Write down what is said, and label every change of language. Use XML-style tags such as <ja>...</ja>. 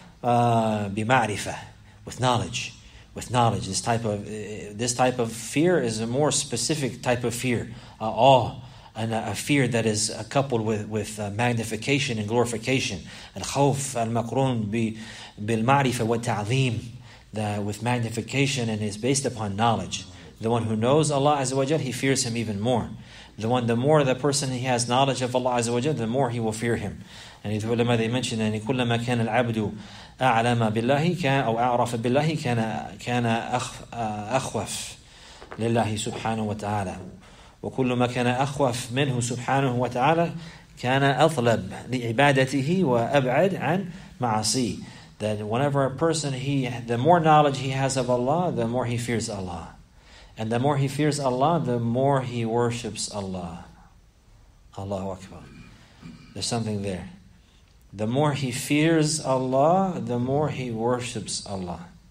<en>بِمَعْرِفَةٍ, with knowledge. This type of fear is a more specific type of fear, awe, and a fear that is coupled with magnification and glorification.</en> <ar>الخوف المقرون بالمعرفة والتعظيم,</ar> <en>with magnification, and is based upon knowledge. The one who knows Allah Azza wa Jal, he fears him even more. The more the person he has knowledge of Allah Azza wa Jal, the more he will fear him. And the ulama, they mentioned that</en> <ar>كلما كان العبد أعلم بالله كان أو أعرف بالله كان أخوف لله سبحانه وتعالى وكل ما كان أخوف منه سبحانه وتعالى كان أطلب لعبادته وأبعد عن معصي.</ar> <en>That whenever a person, the more knowledge he has of Allah, the more he fears Allah. And the more he fears Allah, the more he worships Allah. Allahu Akbar. There's something there. The more he fears Allah, the more he worships Allah.</en>